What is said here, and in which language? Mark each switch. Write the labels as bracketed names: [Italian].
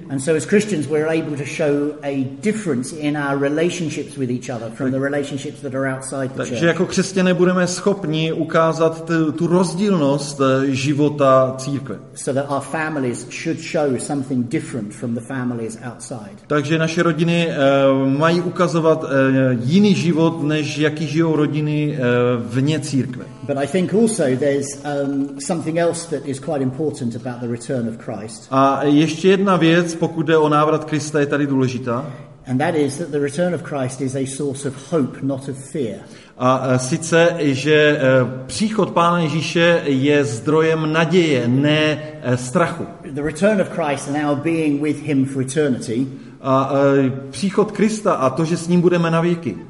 [English] And so as Christians we're able to show a difference in our relationships with each other from the relationships that are outside the church. [Czech] Takže jako křesťané budeme schopni ukázat tu rozdílnost života církve. [English] So that our families should show something different from the families outside. [Czech] Takže naše rodiny mají ukazovat jiný život, než jaký žijou rodiny vně církve. [English] But I think also there's something else that is quite important about the return of Christ. [Czech] A ještě jedna věc, pokud jde o návrat Krista, je tady důležitá. [English] And that is that the return of Christ is a source of hope, not of fear. [Czech] A sice, že příchod Pána Ježíše je zdrojem naděje, ne strachu. [English] The return of Christ and our being with him for eternity. [Czech] A příchod Krista a to, že s ním budeme na věky,